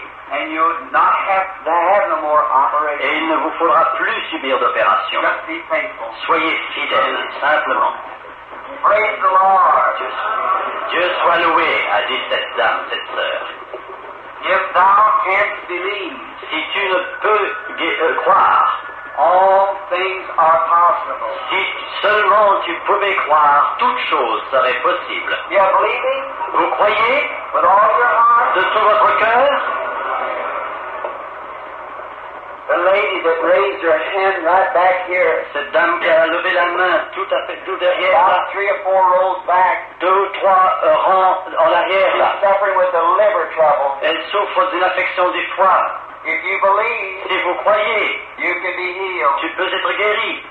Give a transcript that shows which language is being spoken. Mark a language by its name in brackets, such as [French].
[English] and you'll not have to have no more operations. [French] Et il ne vous faudra plus subir d'opérations. [English] Just be faithful. [French] Soyez fidèles, simplement. [English] Praise the Lord. [French] Dieu soit loué, a dit cette dame, cette sœur. [English] If thou canst believe, [French] si tu ne peux croire, [English] all things are possible. [French] Si seulement tu pouvais croire, toute chose serait possible. [English] You're believing? [French] Vous croyez? [English] With all your heart? [French] De tout votre cœur? [English] The lady that raised her hand right back here. [French] Cette dame qui a levé la main tout à fait tout derrière. [English] About three or four rows back. [French] Deux ou trois rangs en arrière. [English] She's suffering with a liver trouble. [French] Elle souffre d'une affection du foie. [English] If you believe, [French] si vous croyez, [English] you can be healed. [French] Tu peux être guéri.